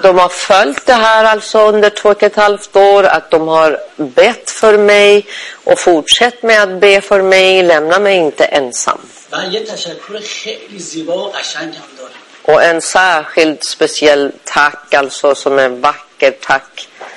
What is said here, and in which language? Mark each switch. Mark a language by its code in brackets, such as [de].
[sv] De har följt det här alltså under 2,5 år att de har bett för mig och fortsätt med att be för mig, lämna mig inte ensam. [fa] من یه تشکر خیلی زیبا و قشنگ هم دارم. [sv] Och en särskild speciell tack alltså som är vacker tack.